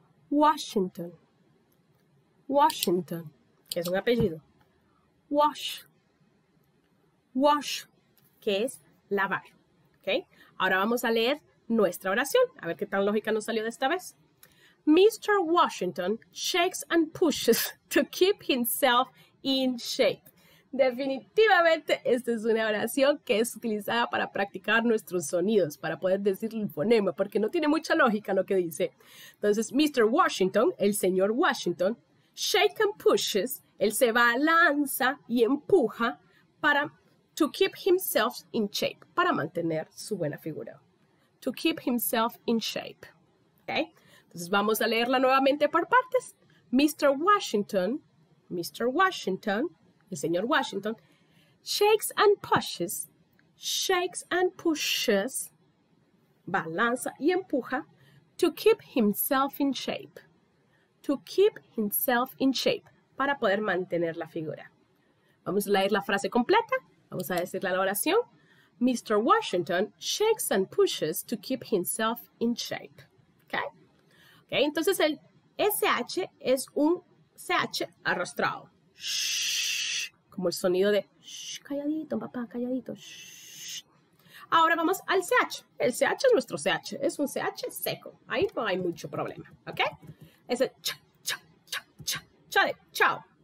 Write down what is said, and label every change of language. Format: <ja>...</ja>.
<es>Washington, Washington, que es un apellido. Wash, wash, que es lavar. ¿Okay? Ahora vamos a leer nuestra oración, a ver qué tan lógica nos salió de esta vez.</es> <en>Mr. Washington shakes and pushes to keep himself in shape.</en> <es>Definitivamente, esta es una oración que es utilizada para practicar nuestros sonidos, para poder decir el fonema, porque no tiene mucha lógica lo que dice. Entonces, Mr. Washington, el señor Washington,</es> <en>shakes and pushes,</en> <es>él se balanza y empuja para</es> <en>to keep himself in shape,</en> <es>para mantener su buena figura.</es> <en>To keep himself in shape.</en> <es>Okay? Entonces vamos a leerla nuevamente por partes. Mr.</es> <en>Washington, Mr. Washington,</en> <es>el señor Washington,</es> <en>shakes and pushes, shakes and pushes,</en> <es>balanza y empuja,</es> <en>to keep himself in shape. To keep himself in shape,</en> <es>para poder mantener la figura. Vamos a leer la frase completa, vamos a decirla la oración.</es> <en>Mr. Washington shakes and pushes to keep himself in shape. Okay?</en> <es>Okay, entonces el SH es un CH arrastrado. Shh, como el sonido de shh, calladito, papá, calladito. Shh. Ahora vamos al CH. El CH es nuestro CH. Es un CH seco. Ahí no hay mucho problema. Okay? Es el ch, ch, ch, ch, ch, de chao.</es>